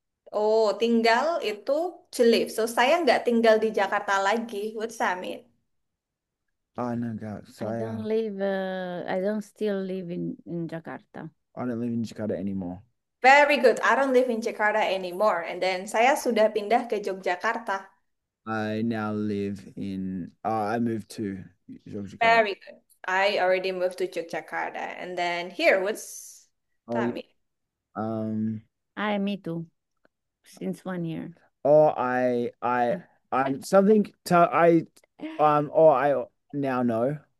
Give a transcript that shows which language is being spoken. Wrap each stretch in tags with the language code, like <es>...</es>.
<id>Oh, tinggal itu</id> <en>to live.</en> <id>So, saya nggak tinggal di Jakarta lagi.</id> <en>What's that mean? No, God, I</en> <id>saya.</id> <en>don't live, I don't still live in Jakarta. I don't live in Jakarta anymore. Very good. I don't live in Jakarta anymore. And then</en> <id>saya sudah pindah ke Yogyakarta.</id> <en>I now live in, I moved to Yogyakarta. Very good. I already moved to Yogyakarta. And then here, what's Oh, that yeah. mean? Me too. Since 1 year. Oh, I'm something to, I, oh, I now know.</en>